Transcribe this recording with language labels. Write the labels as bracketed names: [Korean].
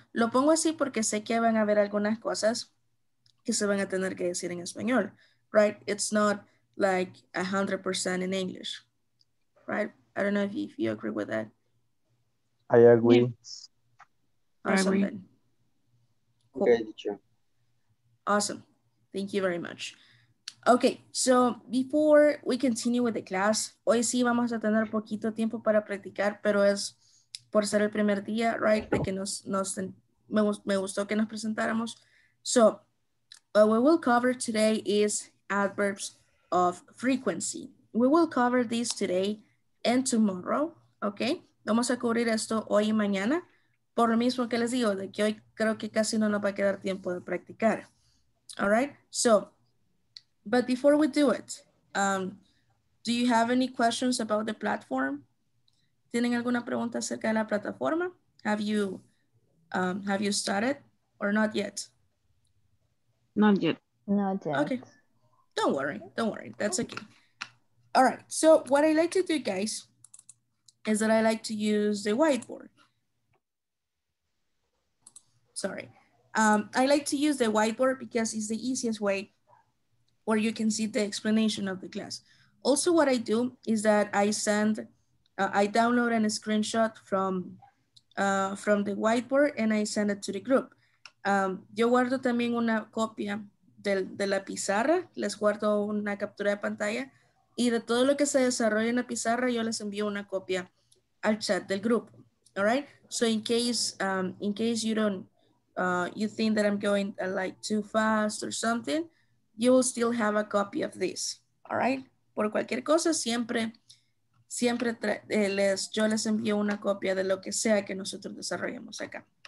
[Spanish] Lo pongo así porque sé que van a haber algunas cosas que se van a tener que decir en español, right? [English] It's not like 100% in English, right? I don't know if you agree with that. I agree. Awesome. Cool. Okay, teacher. Awesome. Thank you very much. Okay, so before we continue with the class, [Spanish] hoy sí vamos a tener poquito tiempo para practicar, pero es por ser el primer día, right? De que me gustó que nos presentáramos. So, [English] what we will cover today is adverbs of frequency. We will cover this today and tomorrow, okay? [Spanish] Vamos a cubrir esto hoy y mañana, por lo mismo que les digo, de que hoy creo que casi no nos va a quedar tiempo de practicar. [English] All right, so, but before we do it, do you have any questions about the platform? [Spanish] ¿Tienen alguna pregunta acerca de la plataforma? [English] Have you started or not yet? Not yet. Not yet. Okay. Don't worry. That's okay. All right. So what I like to do, guys, is that I like to use the whiteboard. Sorry. I like to use the whiteboard because it's the easiest way where you can see the explanation of the class. Also, what I do is that I download a screenshot from the whiteboard and I send it to the group. [Spanish] Yo guardo también una copia de la pizarra, les guardo una captura de pantalla y de todo lo que se desarrolla en la pizarra, yo les envío una copia al chat del grupo, all right? [English] So in case you don't, you think that I'm going like too fast or something, you will still have a copy of this, all right? [Spanish] Por cualquier cosa, siempre les envío una copia de lo que sea que nosotros desarrollemos acá.